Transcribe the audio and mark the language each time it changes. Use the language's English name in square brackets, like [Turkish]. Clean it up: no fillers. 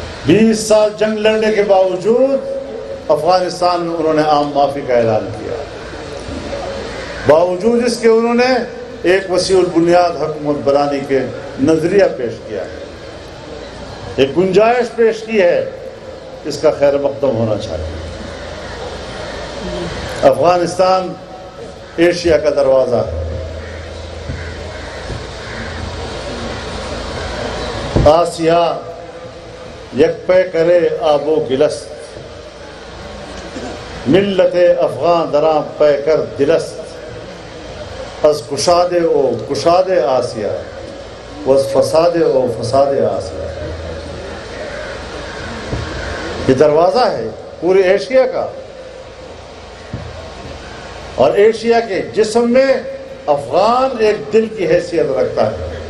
[Urdu] 20 سال جنگ لڑنے کے باوجود افغانستان میں انہوں نے عام معافی کا اعلان کیا, باوجود اس کے انہوں نے ایک وسیع البنیاد حکومت بنانے کے نظریہ پیش کیا ہے, ایک گنجائش پیش کی ہے, اس کا خیر مقدم ہونا چاہیے. افغانستان ایشیا کا دروازہ ہے. [Persian] آسیا یک پہ کرے آب و گلست, ملت افغان درام پہ کر دلست, از کشاد او کشاد آسیا, وز فساد او فساد آسیا. [Urdu] یہ دروازہ ہے پورے ایشیا کا, اور ایشیا کے جسم میں افغان ایک دل کی حیثیت رکھتا ہے.